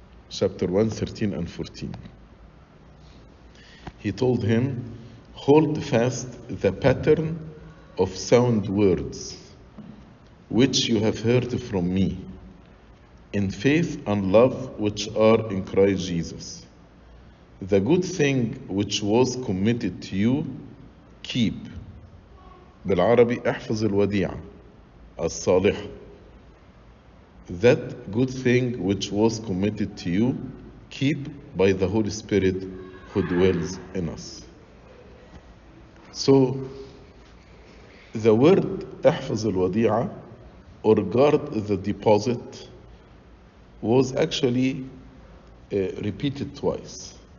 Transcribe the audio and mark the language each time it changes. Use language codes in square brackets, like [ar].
[en] Chapter 1, 13 and 14. He told him, hold fast the pattern of sound words, which you have heard from me, in faith and love which are in Christ Jesus. The good thing which was committed to you, keep. [ar] بالعربي احفظ الوديعة الصالح. [en] That good thing which was committed to you, keep by the Holy Spirit who dwells in us. So, the word [ar] احفظ الوديعة [en] or guard the deposit was actually repeated twice.